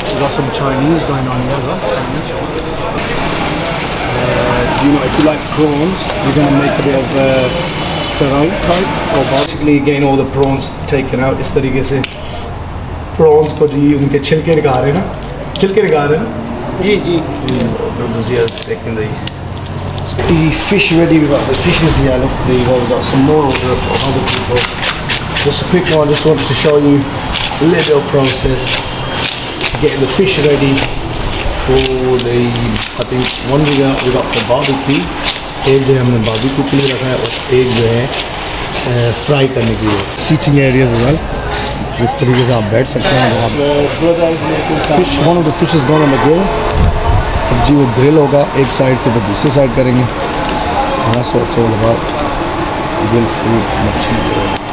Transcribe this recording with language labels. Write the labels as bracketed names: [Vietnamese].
[English] Some Chinese going on here, right? You know, if you like prawns, we're going to make a bit of karai type. Or basically, getting all the prawns taken out. [Hindi] इस तरीके से prawns को जी उनके छिलके निकाल रहे हैं ना? छिलके निकाल रहे हैं ना? जी जी. [English] Brothers here taking the fish ready. We got the fishes here. Look, they have got some more order for other people. Just a quick one. Just wanted to show you a little bit of process. Getting the fish ready for the I think one we got for barbecue. [Hindi] एक जो हमने barbecue के लिए रखा है और एक जो है fry करने के लिए. [English] Seating areas as well. [Hindi] इस तरीके से आप बैठ सकते हैं. [English] Fish one of the fish is gone on the grill. [Hindi] अब जी वो grill होगा एक side से तो दूसरे side करेंगे. [English] That's what it's all about. Grill food मच्छी